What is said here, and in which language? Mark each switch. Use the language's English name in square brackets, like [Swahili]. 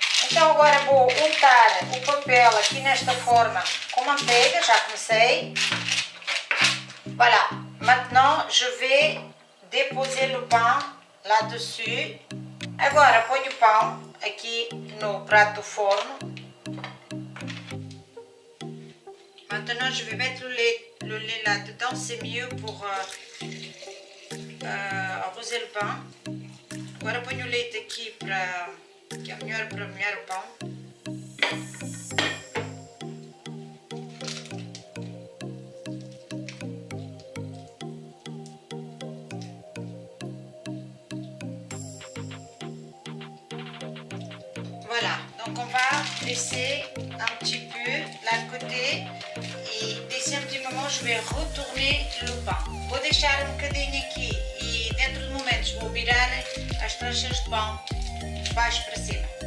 [Portuguese] Então, agora vou untar o papel aqui nesta forma com manteiga, já comecei. [French] Voilà, maintenant je vais déposer le pain là-dessus. [Portuguese] Agora ponho o pão aqui no prato do forno. [French] Maintenant, je vais mettre le lait là-dedans, c'est mieux pour arroser le pain. [Portuguese] Agora, ponho o leite aqui para que é melhor para molhar o pão. [French] Voilà, donc on va laisser un petit peu là de côté. D'ici un petit moment, je vais retourner le pain. [Portuguese] Vou deixar um bocadinho aqui e dentro de momentos vou virar as tranchas de pão de baixo para cima.